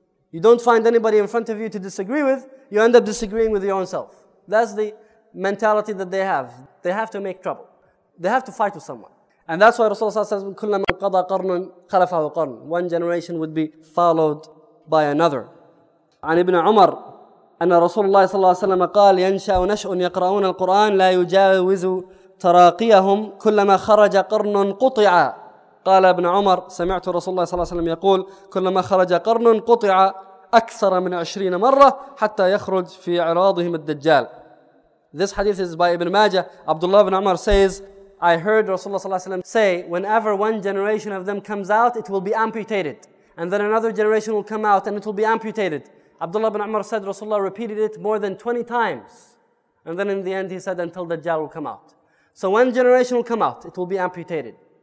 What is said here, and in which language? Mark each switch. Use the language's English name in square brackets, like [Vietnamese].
[English] You don't find anybody in front of you to disagree with. You end up disagreeing with your own self. That's the mentality that they have. They have to make trouble. They have to fight with someone. And that's why Rasulullah says, [Arabic] "Kullu man qada qarnan khalafahu qarn." [English] One generation would be followed by another. [Arabic] عن ابن عمر أن رسول الله صلى الله عليه وسلم قال ينشأ نشأ يقرؤون القرآن لا يجاوز تراقيهم كلما خرج قرن قطع قال ابن عمر سمعت رسول الله صلى الله عليه وسلم يقول كلما خرج قرن قطع أكثر من 20 مرة حتى يخرج في عراضهم الدجال. [English] This hadith is by Ibn Majah. Abdullah ibn Umar says, I heard Rasulullah [Arabic] صلى الله عليه وسلم [English] say, whenever one generation of them comes out, it will be amputated. And then another generation will come out and it will be amputated. Abdullah ibn Umar said, Rasulullah repeated it more than 20 times. And then in the end he said, until Dajjal will come out. So one generation will come out, it will be amputated.